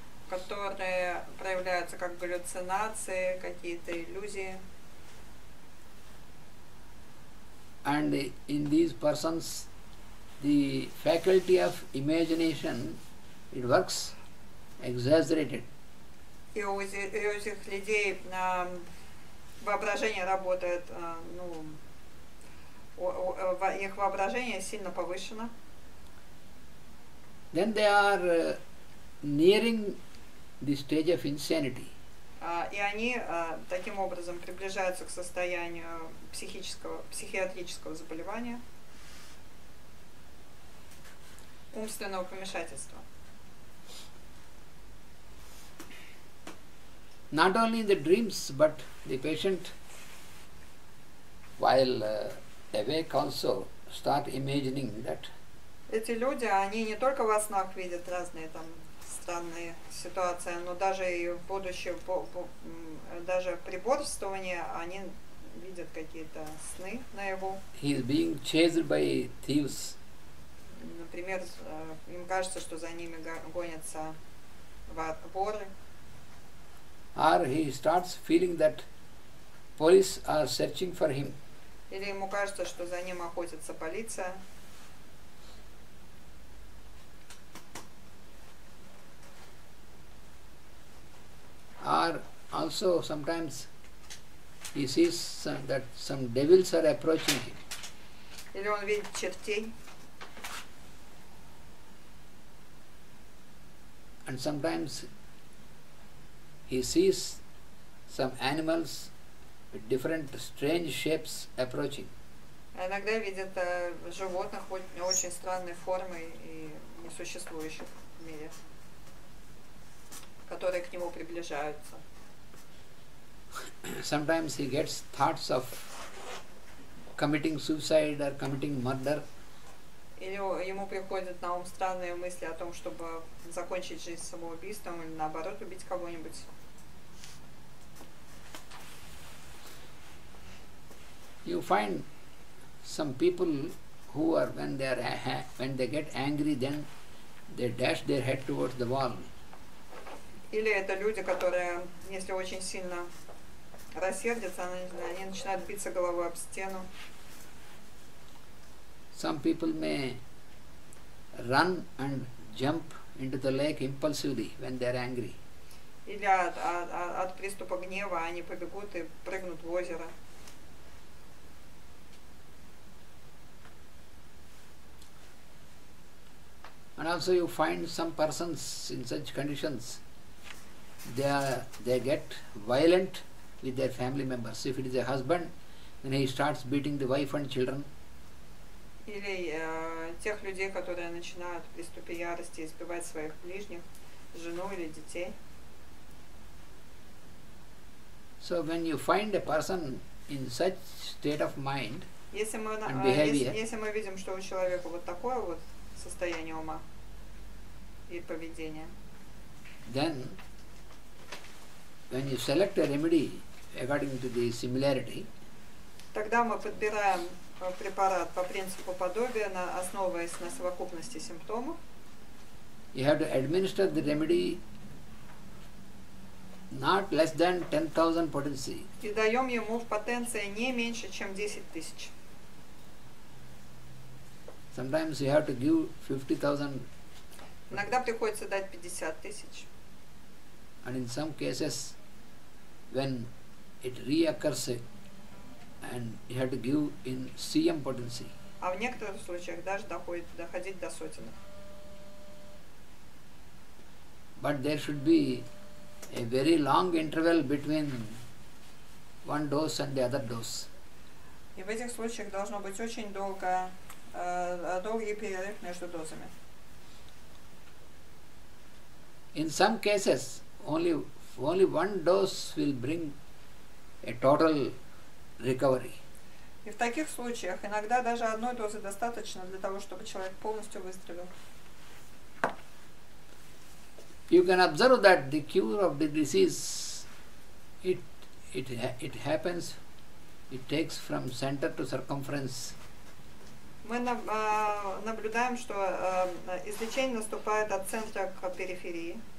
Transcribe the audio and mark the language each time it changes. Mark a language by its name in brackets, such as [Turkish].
[Russian] которые проявляются как галлюцинации, какие-то иллюзии. [English] And in these persons, the faculty of imagination, it works exaggerated. [Russian] И у этих людей воображение работает, их воображение сильно повышено. [English] Then they are nearing the stage of insanity. [Russian] И они таким образом приближаются к состоянию психиатрического заболевания, умственного помешательства. [English] Not only in the dreams, but the patient, while awake also, start imagining that. [Russian] Эти люди, они не только во снах видят разные там странные ситуации, но даже и в будущем, даже при бодрствовании, они видят какие-то сны наяву. [English] He is being chased by thieves. [Russian] Например, им кажется, что за ними гонятся воры. [English] Or he starts feeling that police are searching for him. [Russian] Или ему кажется, что за ним охотится полиция. [English] Or also sometimes he sees that some devils are approaching him. [Russian] Или он видит чертей. [English] And sometimes he sees some animals with different strange shapes approaching. [Russian] Иногда видит животных очень странной формы и несуществующих в мире, которые к нему приближаются. [English] Sometimes he gets thoughts of committing suicide or committing murder. [Russian] Или ему приходят на ум странные мысли о том, чтобы закончить жизнь самоубийством или наоборот убить кого-нибудь. [English] You find some people who are when they get angry, then they dash their head towards the wall. [Russian] Или это люди, которые, если очень сильно рассердятся, они начинают биться головой об стену. [English] Some people may run and jump into the lake impulsively when they are angry. [Russian] Или от приступа гнева они побегут и прыгнут в озеро. [English] And also you find some persons in such conditions. They get violent with their family members. If it is a husband, then he starts beating the wife and children. [Russian] Или тех людей, которые начинают в приступе ярости избивать своих ближних, жену или детей. [English] So when you find a person in such state of mind, [Russian] если мы видим, что у человека вот такое вот состояние ума и поведения, [English] then when you select a remedy according to the similarity, [Russian] тогда мы подбираем препарат по принципу подобия, основываясь на совокупности симптомов. [English] You have to administer the remedy not less than 10,000 potency. [Russian] И даем ему в потенции не меньше, чем 10 тысяч. [English] Sometimes you have to give 50,000. [Russian] Иногда приходится дать 50 тысяч. [English] And in some cases, when it reoccurs, and you have to give in cm potency. [Russian] А в некоторых случаях даже доходить до сотенных. [English] But there should be a very long interval between one dose and the other dose. [Russian] И в этих случаях должно быть очень долгий перерыв между дозами. [English] In some cases, only one dose will bring a total recovery. [Russian] И в таких случаях иногда даже одной дозы достаточно для того, чтобы человек полностью выздоровел. [English] You can observe that the cure of the disease it happens, it takes from center to circumference. [Russian] Мы наблюдаем, что излечение наступает от центра к периферии.